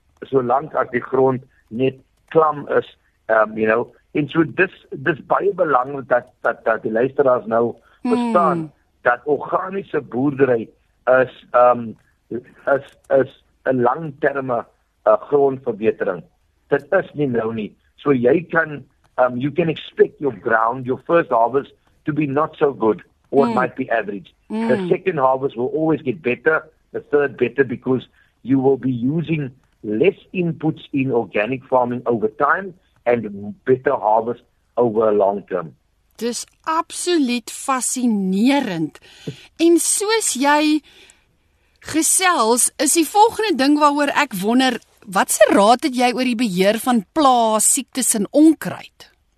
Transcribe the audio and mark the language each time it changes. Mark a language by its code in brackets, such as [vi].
[af] solank as die grond net klam is [en] you know, [af] en so dis baie belangrik dat die luisteraars nou verstaan dat organiese boerdery is 'n langterme grondverbetering. Dit is nie nou nie. [en] So [af] jy kan [en] you can expect your ground, your first harvest to be not so good or it might be average. Mm. The second harvest will always get better, the third better, because you will be using less inputs in organic farming over time and better harvest over a long term. [af] Dis absoluut fascinerend. En soos jy gesels, is die volgende ding waaroor ek wonder, watse raad het jy oor die beheer van plaas, siektes en onkruid?